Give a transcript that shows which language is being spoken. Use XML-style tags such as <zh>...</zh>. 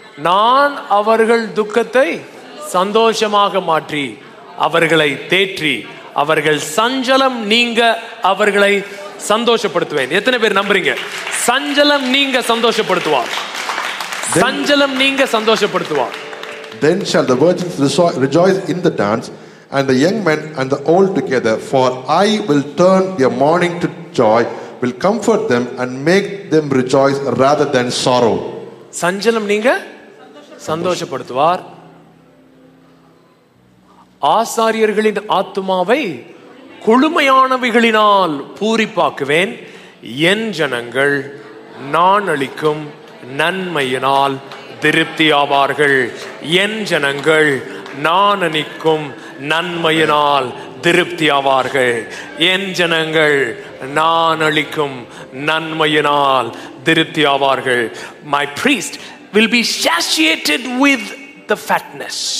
<ta>நான் அவர்கள் துக்கத்தை சந்தோஷமாக மாற்றி அவர்களை தேற்றி அவர்கள் சஞ்சலம் நீங்க அவர்களை சந்தோஷப்படுத்துவேன். எத்தனை பேர் நம்புறீங்க சஞ்சலம் நீங்க சந்தோஷப்படுத்துவார்? சஞ்சலம் நீங்க சந்தோஷப்படுத்துவார்.</ta> <en>Then shall the virgins rejoice in the dance, and the young men and the old together, for I will turn their mourning to joy, will comfort them and make them rejoice rather than sorrow.</en> <ta>சஞ்சலம் நீங்க சந்தோஷப்படுத்துவார். ஆசாரியர்களின் ஆத்துமாவை குளுமையானவைகளினால் பூரிப்பாக்குவேன். என் ஜனங்கள் நான் அளிக்கும் நன்மையினால் திருப்தி ஆவார்கள். என் ஜனங்கள் நான் அளிக்கும் நன்மையினால் திருப்தி ஆவார்கள். என் ஜனங்கள் நான் அளிக்கும் நன்மையினால் திருப்தி ஆவார்கள்.</ta> <en>My priest will be satiated with the fatness.</en>